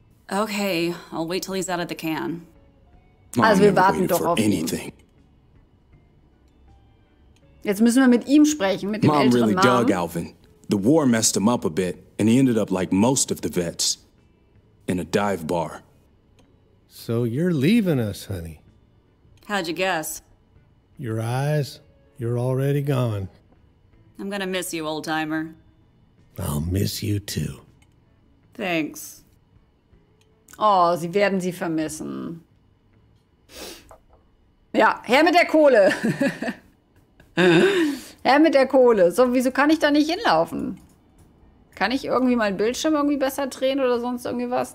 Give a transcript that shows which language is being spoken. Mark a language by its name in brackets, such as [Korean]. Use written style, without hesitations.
[English] Okay, I'll wait till he's out of the can. [German] Also wir warten doch auf anything. Ihn. Jetzt müssen wir mit ihm sprechen, mit dem älteren Mann. [English] Mom really dug Alvin. The war messed him up a bit, and he ended up like most of the vets. In a dive bar. So you're leaving us, honey. How'd you guess? Your eyes, you're already gone. I'm gonna miss you, old-timer. I'll miss you too. Thanks. [German] Oh, sie werden sie vermissen. Ja, her mit der Kohle. Her mit der Kohle. So, wieso kann ich da nicht hinlaufen? Kann ich irgendwie meinen Bildschirm irgendwie besser drehen oder sonst irgendwie was?